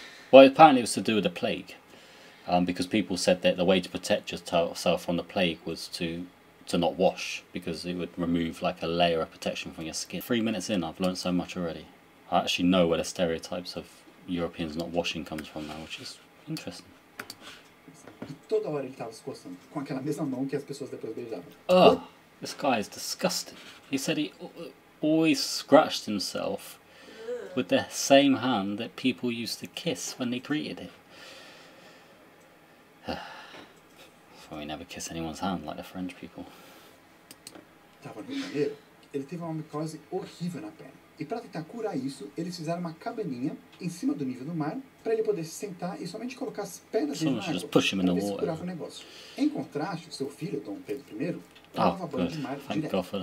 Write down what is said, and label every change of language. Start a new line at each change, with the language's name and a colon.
English: Well, apparently it was to do with the plague. Because people said that the way to protect yourself from the plague was to not wash. Because it would remove like a layer of protection from your skin. 3 minutes in, I've learned so much already. I actually know where the stereotypes of Europeans not washing comes from now, which is interesting.
Portuguese: E toda hora ele estava se coçando, com aquela mesma mão que as pessoas depois beijavam.
English: Oh, this guy is disgusting. He said he always scratched himself with the same hand that people used to kiss when they greeted him. Probably never kiss anyone's hand like the French people.
Portuguese: Estava no Rio de Janeiro, ele teve uma micose horrível na perna. E para tentar curar isso, eles fizeram uma cabaninha em cima do nível do mar para ele poder se sentar e somente colocar as pernas dele na água para ver se curava o negócio. Em contraste, seu filho, Dom Pedro I, tomava banho de mar direto.